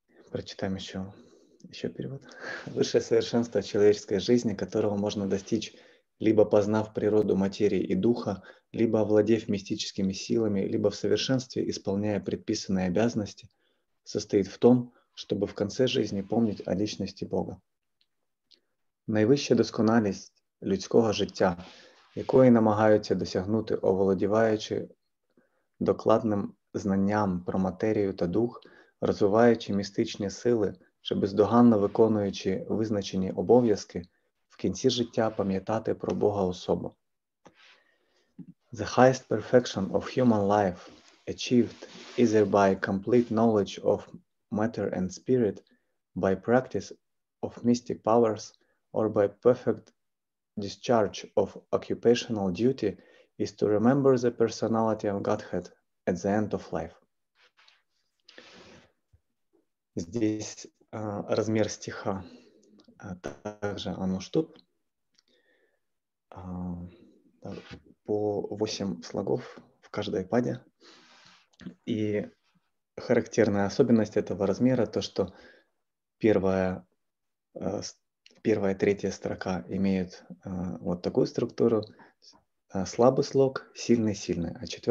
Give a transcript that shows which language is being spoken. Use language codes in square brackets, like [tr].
[ru] Прочитаем еще перевод. Высшее совершенство человеческой жизни, которого можно достичь, либо познав природу материи и духа, либо овладев мистическими силами, либо в совершенстве исполняя предписанные обязанности, состоит в том, чтобы в конце жизни помнить о личности Бога. [uk] Найвищая досконалість людського життя, якої намагаються досягнути, оволодіваючи докладним знанням про матерію та дух, розвиваючи містичні сили, чи бездоганно виконуючи визначені обов'язки, в кінці життя пам'ятати про Бога особу. [en] The highest perfection of human life achieved either by complete knowledge of matter and spirit, by practice of mystic powers, or by perfect discharge of occupational duty is to remember the personality of Godhead at the end of life. [ru] Здесь размер стиха также ануштуб. По 8 слогов в каждой паде. И характерная особенность этого размера то, что первая и третья строка имеют вот такую структуру. Слабый слог, сильный, сильный. А